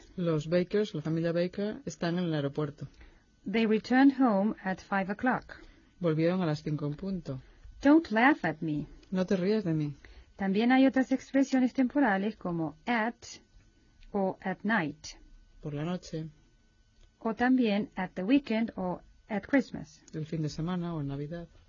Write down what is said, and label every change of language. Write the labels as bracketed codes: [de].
[es] Los Bakers, la familia Baker, están en el aeropuerto. [en] They returned home at 5 o'clock. [es] Volvieron a las 5 en punto. [en] Don't laugh at me. [es] No te rías de mí. También hay otras expresiones temporales como at o [en] at night. [es] Por la noche. O también [en] at the weekend o at Christmas. [es] El fin de semana o en Navidad.